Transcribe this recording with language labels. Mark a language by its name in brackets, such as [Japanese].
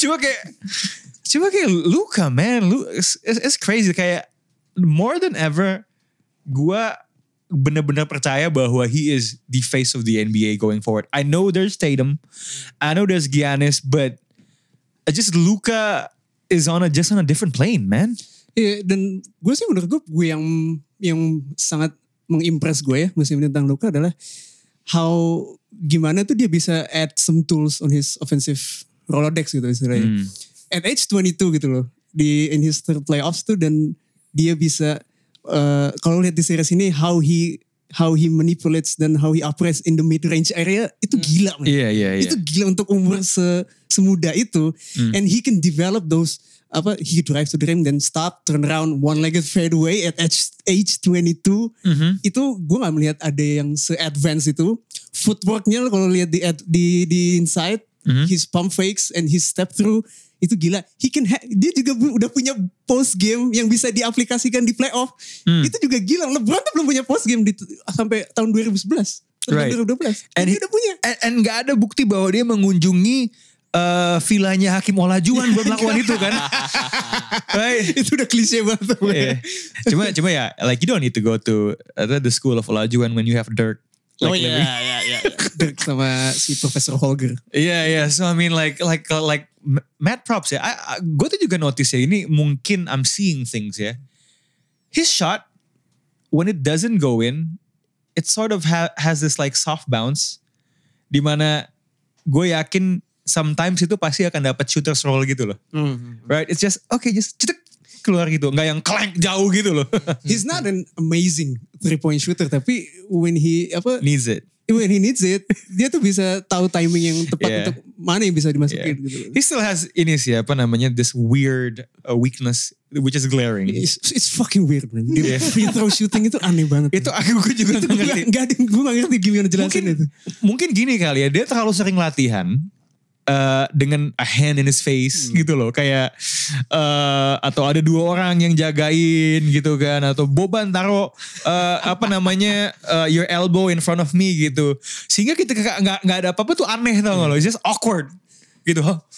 [Indonesian] Cuma kayak Luka man, [English] it's crazy. Kayak more than ever, [Indonesian] gue benar-benar percaya bahwa [English] he is the face of the NBA going forward. I know there's Tatum, I know there's Giannis, but just Luka is on a different plane, man. [Indonesian] Yeah, dan gue sih menurut gue yang sangat mengimpress gue ya musim ini tentang Luka adalah how gimana tuh dia bisa [English] add some tools on his offensive Rolodex [Indonesian] gitu istilahnya. [English] Mm. At age 22 gitu loh, di in his third playoffs tuh, dan dia bisa kalau lihat di series ini how he manipulates dan how he operates in the mid range area [Indonesian] itu gila [English] man. Yeah, yeah, yeah. [Indonesian] Itu gila untuk umur semuda itu. Mm. [English] And he can develop those apa, he drives to the rim then stop, turn around, one legged fadeaway at age 22. Mm-hmm. [Indonesian] Itu gue gak melihat ada yang se-advance itu. Footworknya kalau lihat di inside, mm-hmm, [English] his pump fakes and his step through [Indonesian] itu gila. [English] He can [Indonesian] dia juga udah punya post game yang bisa diaplikasikan di playoff. Mm. Itu juga gila. LeBron tuh belum punya post game sampai tahun 2011. [English] Right. 2012. And [Indonesian] dia udah punya. And gak ada bukti bahwa dia mengunjungi vilanya Hakim Olajuwon buat melakukan itu kan. Right. Itu udah klise banget. [English] Yeah. [Indonesian] Cuma ya, [English] like you don't need to go to the school of Olajuwon when you have Dirk. Like, [Indonesian] oh iya, yeah. Dirk sama si Professor Holger. [English] Yeah. So I mean like mad props ya. [Indonesian] Gue tuh juga notice ya, ini mungkin [English] I'm seeing things [Indonesian] ya. [English] His shot, when it doesn't go in, it sort of has this like soft bounce. [Indonesian] Dimana gue yakin sometimes itu pasti akan dapat shooter's roll gitu loh. Mm-hmm. [English] Right? It's just, okay, just [Indonesian] cetek, keluar gitu. Gak yang clank jauh gitu loh. [English] He's not an amazing three-point shooter, tapi when he, apa? Needs it. When he needs it, [Indonesian] dia tuh bisa tahu timing yang tepat untuk mana yang bisa dimasukin gitu. [English] He still has [Indonesian] ini sih, apa namanya, [English] this weird weakness, which is glaring. It's fucking weird, man. Dia free throw shooting [Indonesian] itu aneh banget. Itu aku juga gak ngerti. Gue gak ngerti gimana jelasin itu. Mungkin gini kali ya, dia terlalu sering latihan, dengan a hand in his face gitu loh, kayak atau ada dua orang yang jagain gitu kan, atau Boban taro apa namanya [English] your elbow in front of me [Indonesian] gitu, sehingga kita gak ada apa-apa tuh aneh tau gak loh, [English] it's just awkward [Indonesian] gitu, huh?